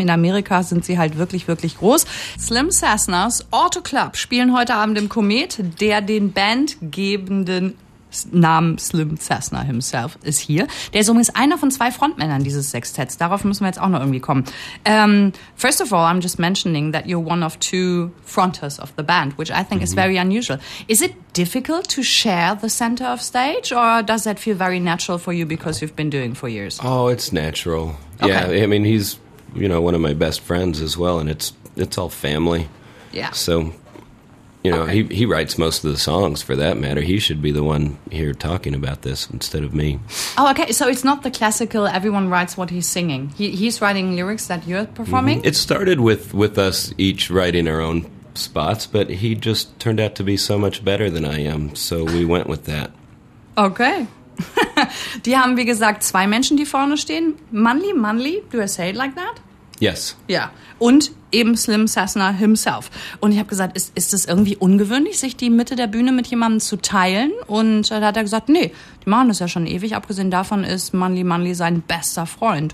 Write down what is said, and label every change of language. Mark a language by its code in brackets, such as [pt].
[de] In Amerika sind sie halt wirklich, wirklich groß. Slim Sassners Auto Club spielen heute Abend im Komet, der den bandgebenden Namen Slim Sassner himself ist hier. Der ist übrigens einer von 2 Frontmännern dieses Sextetts. Darauf müssen wir jetzt auch noch irgendwie kommen. [en] First of all, I'm just mentioning that you're one of 2 fronters of the band, which I think is very unusual. Is it difficult to share the center of stage, or does that feel very natural for you because you've been doing for years? Oh, it's natural. Okay. Yeah, I mean, he's, you know, one of my best friends as well, and it's all family. Yeah. So... You know, he writes most of the songs, for that matter. He should be the one here talking about this instead of me. Oh, okay. So it's not the classical, everyone writes what he's singing. He's writing lyrics that you're performing? Mm-hmm. It started with us each writing our own spots, but he just turned out to be so much better than I am. So we went with that. Okay. [de] Die haben, wie gesagt, 2 Menschen, die vorne stehen. [en] Manly, do I say it like that? Yes. [de] Ja, und eben Slim Sassner himself. Und ich habe gesagt, ist es irgendwie ungewöhnlich, sich die Mitte der Bühne mit jemandem zu teilen? Und da hat er gesagt, nee, die machen das ja schon ewig. Abgesehen davon ist Manly sein bester Freund.